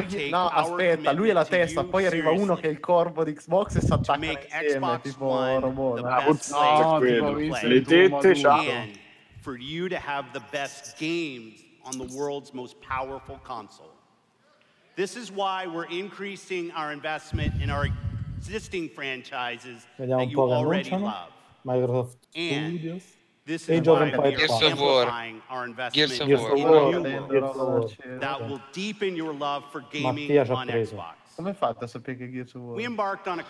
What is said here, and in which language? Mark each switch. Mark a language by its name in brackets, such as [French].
[Italian] No, aspetta, lui è la testa, poi arriva uno che è il corpo di Xbox e si attacca insieme, tipo robot. No, tipo, le tette, ciao. [English] For you to have the best games on the world's most powerful console. This is why we're increasing our investment in our existing franchises that you already love. Microsoft Studios. This is why we're amplifying our investment in our new world that will deepen your love for gaming on Xbox. [Italian] Come hai fatto a sapere che Gears of War? [English] We embarked on a